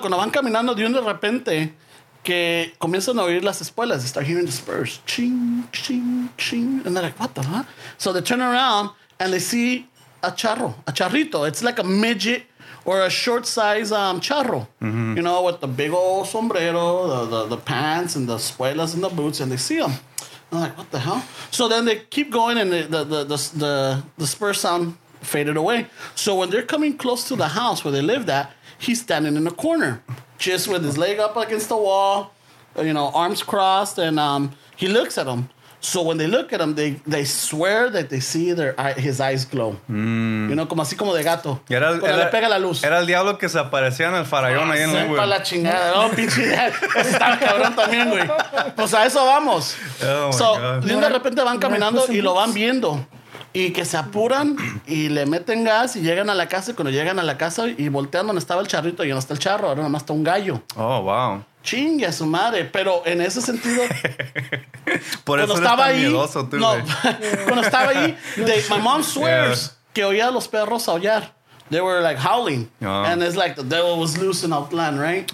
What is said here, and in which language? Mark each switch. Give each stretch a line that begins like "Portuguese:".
Spanish: Cuando van caminando, de repente que comienzan a oír las espuelas.
English: They start hearing the spurs. Ching, ching, ching. And they're like, what the fuck? So they turn around and they see a charrito. It's like a midget. Or a short size charro, mm-hmm. You know, with the big old sombrero, the pants and the espuelas and the boots, and they see them. I'm like, what the hell? So then they keep going, and the spur sound faded away. So when they're coming close to the house where they lived at, he's standing in the corner, just with his leg up against the wall, you know, arms crossed, and he looks at them. So when they look at him, they swear that they see his eyes glow. Mm. You know,
Spanish: como así como de gato. Era, cuando le pega la luz. Era el diablo que se aparecía en el farallón ahí en la... Sepa la chingada. No, pinche idea. Está cabrón también, güey. Pues a eso vamos.
English: Oh, so, my God.
Spanish: De repente van caminando y lo van viendo. Y que se apuran y le meten gas y llegan a la casa. Y cuando llegan a la casa y voltean donde estaba el charrito, y no está el charro, ahora nomás está un gallo.
English: Oh, wow.
Spanish: chingue a su madre. Pero en ese sentido, por cuando, eso estaba ahí, miedoso, tú, no, cuando estaba ahí, cuando estaba ahí,
English: my mom swears
Spanish: que oía a los perros aullar.
English: They were like howling. Oh. And it's like the devil was loose in Outland, right?